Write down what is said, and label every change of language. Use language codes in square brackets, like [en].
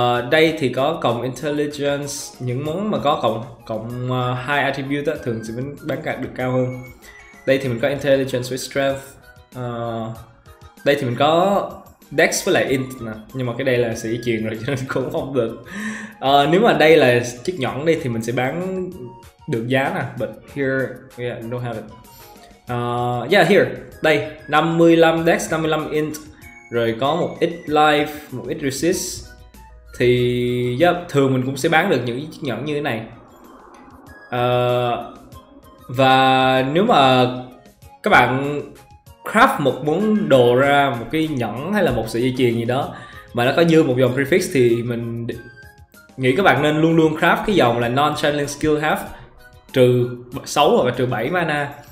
[vi] Đây thì có cộng intelligence, những món mà có cộng high attribute đó, thường sẽ bán cả được cao hơn. Đây thì mình có intelligence with strength. Đây thì mình có Dex với lại Int nè. Nhưng mà cái đây là sẽ truyền rồi cho nên cũng không được. Nếu mà đây là chiếc nhẫn đi thì mình sẽ bán được giá nè. [en] But here, yeah, don't have it. Yeah, here, đây 55 Dex, 55 Int. [vi] rồi có một ít life, một ít resist, thì thường mình cũng sẽ bán được những chiếc nhẫn như thế này. Và nếu mà các bạn craft một món đồ ra, một cái nhẫn hay là một sợi dây chuyền gì đó mà nó có dư một dòng prefix, thì mình nghĩ các bạn nên luôn luôn craft cái dòng là non-channeling skill have trừ 6 hoặc là trừ 7 mana.